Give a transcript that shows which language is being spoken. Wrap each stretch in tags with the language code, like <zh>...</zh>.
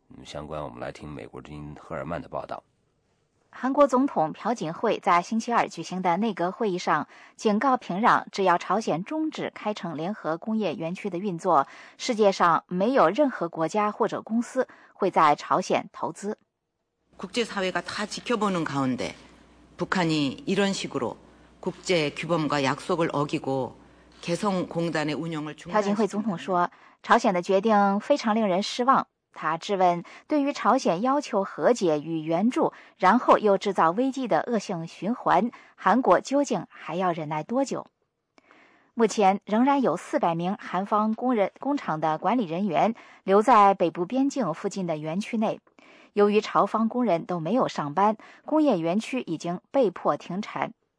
<zh>相关我们来听美国之音赫尔曼的报道。韩国总统朴槿惠在星期二举行的内阁会议上警告平壤，只要朝鲜终止开城联合工业园区的运作，世界上没有任何国家或者公司会在朝鲜投资。</zh> <ko>국제사회가다지켜보는가운데북한이이런식으로국제규범과약속을어기고개성공단의운영을 중단。</ko> <zh>朴槿惠总统说，朝鲜的决定非常令人失望。他质问对于朝鲜要求和解与援助然后又制造危机的恶性循环，韩国究竟还要忍耐多久。目前仍然有400名韩方工厂的管理人员留在北部边境附近的园区内，由于朝方工人都没有上班，工业园区已经被迫停产。</zh>